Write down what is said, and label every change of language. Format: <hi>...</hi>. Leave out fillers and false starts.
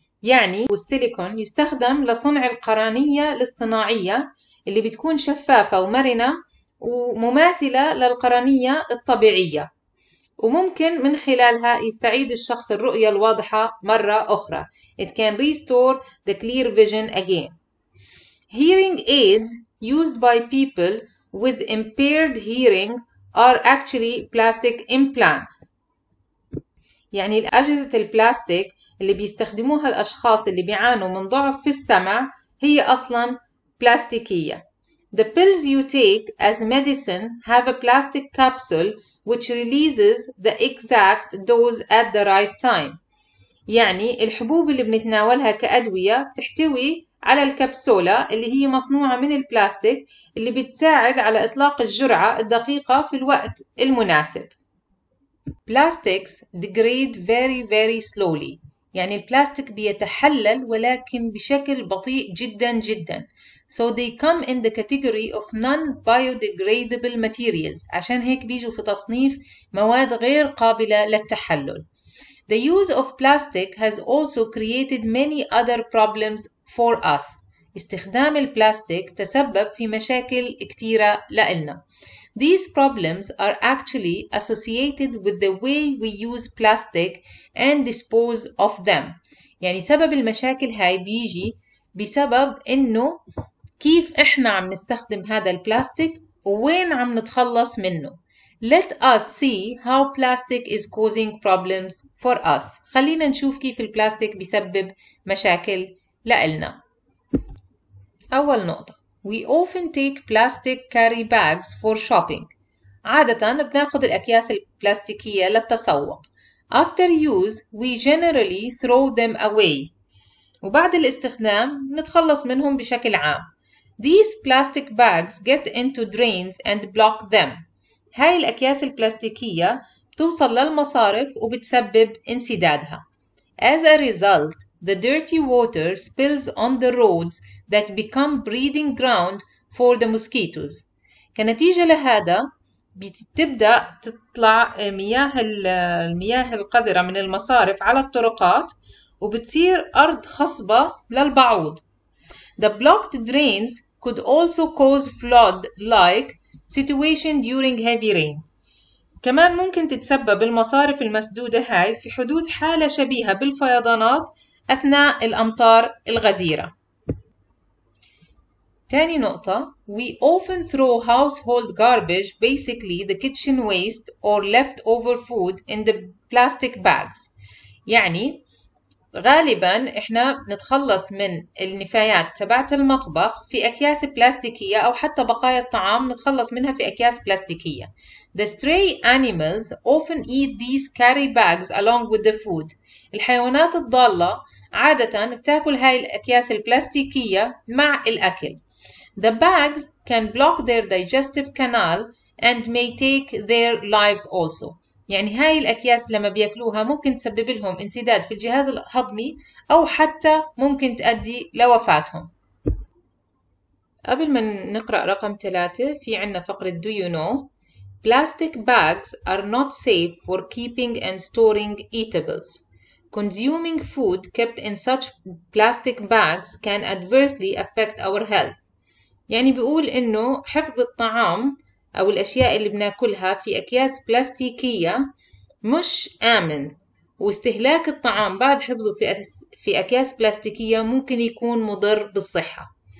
<ar>يعني السيليكون يستخدم لصنع القرنية الاصطناعية اللي بتكون شفافة ومرنة ومماثلة للقرنية الطبيعية وممكن من خلالها يستعيد الشخص الرؤية الواضحة مرة أخرى.</ar> <en>It can restore the clear vision again. Hearing aids used by people with impaired hearing are actually plastic implants.</en> <ar>يعني الأجهزة البلاستيك اللي بيستخدموها الأشخاص اللي بيعانوا من ضعف في السمع هي أصلاً بلاستيكية.</ar> <en>The pills you take as medicine have a plastic capsule which releases the exact dose at the right time.</en> <ar>يعني الحبوب اللي بنتناولها كأدوية بتحتوي على الكبسولة اللي هي مصنوعة من البلاستيك اللي بتساعد على إطلاق الجرعة الدقيقة في الوقت المناسب.</ar> <en>plastics degrade very very slowly.</en> <ar>يعني البلاستيك بيتحلل ولكن بشكل بطيء جدا جدا.</ar> <en>So they come in the category of non-biodegradable materials.</en> <ar>عشان هيك بيجوا في تصنيف مواد غير قابلة للتحلل.</ar> <en>The use of plastic has also created many other problems for us.</en> <ar>استخدام البلاستيك تسبب في مشاكل كتيرة لإلنا.</ar> <en>These problems are actually associated with the way we use plastic and dispose of them.</en> <ar>يعني سبب المشاكل هاي بيجي بسبب إنه كيف إحنا عم نستخدم هذا البلاستيك وين عم نتخلص منه.</ar> <en>Let us see how plastic is causing problems for us.</en> <ar>خلينا نشوف كيف البلاستيك بيسبب مشاكل لإلنا. أول نقطة.</ar> <en>We often take plastic carry bags for shopping.</en> <ar>عادة بناخد الأكياس البلاستيكية للتسوق.</ar> <en>After use, we generally throw them away.</en> <ar>وبعد الاستخدام نتخلص منهم بشكل عام.</ar> <en>These plastic bags get into drains and block them.</en> <ar>هاي الأكياس البلاستيكية بتوصل للمصارف وبتسبب انسدادها.</ar> <en>As a result, the dirty water spills on the roads that become breeding ground for the mosquitoes.</en> <ar>كنتيجة لهذا بتبدأ تطلع المياه القذرة من المصارف على الطرقات وبتصير أرض خصبة للبعوض.</ar> <en>The blocked drains could also cause flood-like situation during heavy rain.</en> <ar>كمان ممكن تتسبب المصارف المسدودة هاي في حدوث حالة شبيهة بالفيضانات أثناء الأمطار الغزيرة. تاني نقطة.</ar> <en>We often throw household garbage, basically the kitchen waste or leftover food, in the plastic bags.</en> <ar>يعني غالبا احنا نتخلص من النفايات تبعت المطبخ في أكياس بلاستيكية أو حتى بقايا الطعام نتخلص منها في أكياس بلاستيكية.</ar> <en>The stray animals often eat these carry bags along with the food.</en> <ar>الحيوانات الضالة عادة بتاكل هاي الأكياس البلاستيكية مع الأكل.</ar> <en>The bags can block their digestive canal and may take their lives also.</en> <ar>يعني هاي الأكياس لما بيأكلوها ممكن تسبب لهم انسداد في الجهاز الهضمي أو حتى ممكن تؤدي لوفاتهم. قبل ما نقرأ رقم 3 في عنا فقرة</ar> <en>Do you know? Plastic bags are not safe for keeping and storing eatables. Consuming food kept in such plastic bags can adversely affect our health.</en> <ar>يعني بيقول إنه حفظ الطعام أو الأشياء اللي بناكلها في أكياس بلاستيكية مش آمن، واستهلاك الطعام بعد حفظه في أكياس بلاستيكية ممكن يكون مضر بالصحة.</ar>